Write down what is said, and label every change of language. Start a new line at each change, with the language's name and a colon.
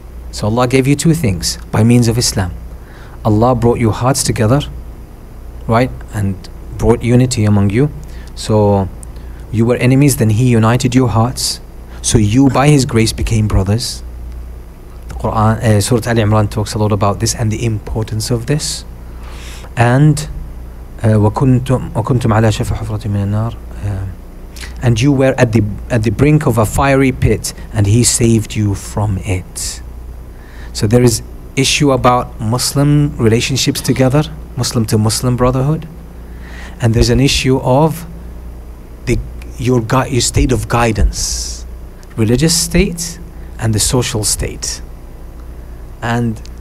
English: So Allah gave you two things by means of Islam. Allah brought your hearts together, right? And brought unity among you. So you were enemies, then He united your hearts. So you, by His grace, became brothers. Quran, Surah Ali Imran talks a lot about this and the importance of this. And
Arabic: وَكُنْتُمْ عَلَى شَفَ حُفْرَةٍ مِنَ النَّارِ.
English: And you were at the brink of a fiery pit, and He saved you from it. So there is issue about Muslim relationships together, Muslim to Muslim brotherhood, and there's an issue of your state of guidance, religious state and the social state. And